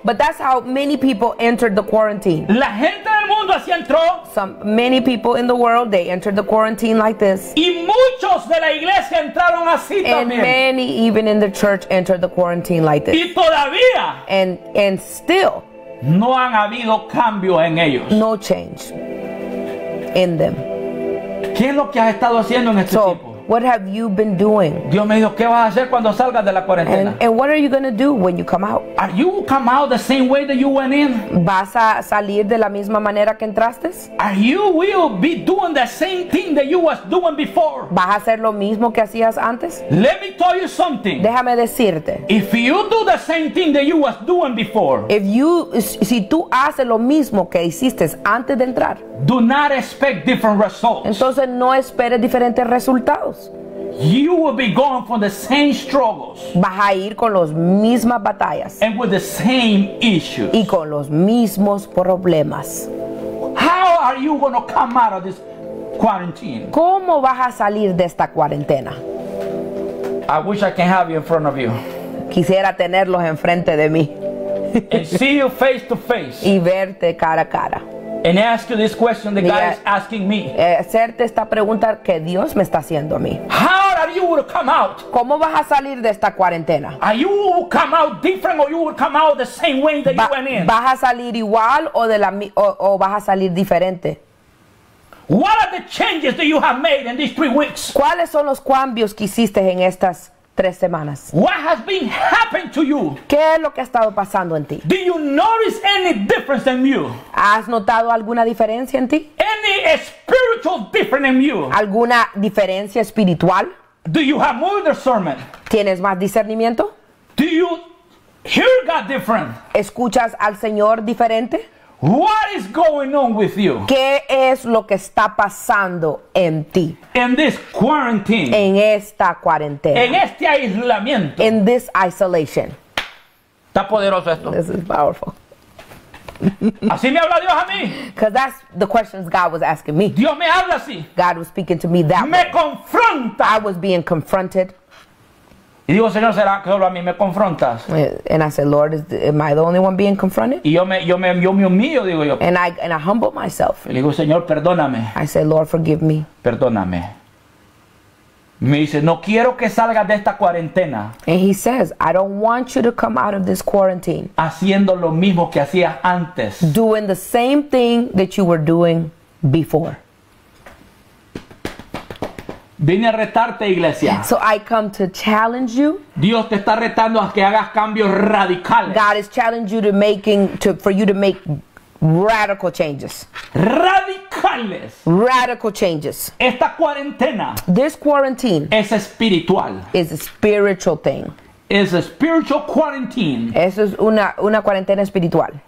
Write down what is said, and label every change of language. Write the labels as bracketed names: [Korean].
[English] But that's how many people entered the quarantine. [Spanish] La gente del mundo así entró. [English] Many people in the world, they entered the quarantine like this. [Spanish] Y muchos de la iglesia entraron así también. [English] And many even in the church entered the quarantine like this. [Spanish] Y todavía. [English] And still. [Spanish] No han habido cambio en ellos. [English] No change in them. [Spanish] ¿Qué es lo que has estado haciendo en este [English] so, [Spanish] tiempo? [English] What have you been doing? [Spanish] Dios me dijo, ¿qué vas a hacer cuando salgas de la cuarentena? [English] And what are you going to do when you come out? Are you come out the same way that you went in? [Spanish] ¿Vas a salir de la misma manera que entraste? [English] Are you will be doing the same thing that you was doing before? [Spanish] ¿Vas a hacer lo mismo que hacías antes? [English] Let me tell you something. [Spanish] Déjame decirte. [English] If you do the same thing that you was doing before. If you [Spanish] si tú haces lo mismo que hiciste antes de entrar. [English] Do not expect different results. [Spanish] Entonces no esperes diferentes resultados. [English] You will be going from the same struggles. [Spanish] Vas a ir con las mismas batallas. [English] And with the same issues. [Spanish] Y con los mismos problemas. [English] How are you going to come out of this quarantine? [Spanish] ¿Cómo vas a salir de esta cuarentena? [English] I wish I can have you in front of you. [Spanish] Quisiera tenerlos enfrente de mí. [English] And see you face to face. [Spanish] Y verte cara a cara. [English] And ask you this question that God is asking me. [Spanish] Hacerte esta pregunta que Dios me está haciendo a mí. [English] How are you going to come out? [Spanish] ¿Cómo vas a salir de esta cuarentena? [English] Are you going to come out different or you will come out the same way that you went in? [Spanish] ¿Vas a salir igual o vas a salir diferente? [English] What are the changes that you have made in these 3 weeks? [Spanish] ¿Cuáles son los cambios que hiciste en estas 3 semanas? [English] What has been happened to you? [Spanish] ¿Qué es lo que ha estado pasando en ti? [English] Do you notice any difference in you? [Spanish] ¿Has notado alguna diferencia en ti? [English] Any spiritual difference in you? [Spanish] ¿Alguna diferencia espiritual? [English] Do you have more discernment? [Spanish] ¿Tienes más discernimiento? [English] Do you hear God different? [Spanish] ¿Escuchas al Señor diferente? [English] What is going on with you? [Spanish] ¿Qué es lo que está pasando en ti? [English] In this quarantine. [Spanish] En esta cuarentena. En este aislamiento. [English] In this isolation. [Spanish] Está poderoso esto. [English] This is powerful. [Spanish] Así me habla Dios a mí. [English] Because that's the questions God was asking me. [Spanish] Dios me habla así. [English] God was speaking to me that [Spanish] me [English] way. [Spanish] Me confronta. [English] I was being confronted. [Spanish] Y digo, Señor, ¿será que solo a mí me confrontas? [English] And I said, Lord, am I the only one being confronted? [Spanish] Y yo me humillo, digo yo. [English] And I humble myself. [Spanish] Y digo, Señor, perdóname. [English] I said, Lord, forgive me. [Spanish] Perdóname. Me dice, no quiero que salgas de esta cuarentena. [English] And he says, I don't want you to come out of this quarantine. [Spanish] Haciendo lo mismo que hacías antes. [English] Doing the same thing that you were doing before. [Spanish] Vine a retarte, iglesia. [English] So I come to challenge you. [Spanish] Dios te está retando a que hagas cambios radicales. [English] God is challenging you to make radical changes. [Spanish] Radicales. [English] Radical changes. [Spanish] Esta cuarentena. [English] This quarantine. [Spanish] Es espiritual. [English] Is a spiritual thing. Is a spiritual quarantine. [Spanish] Eso es una cuarentena espiritual.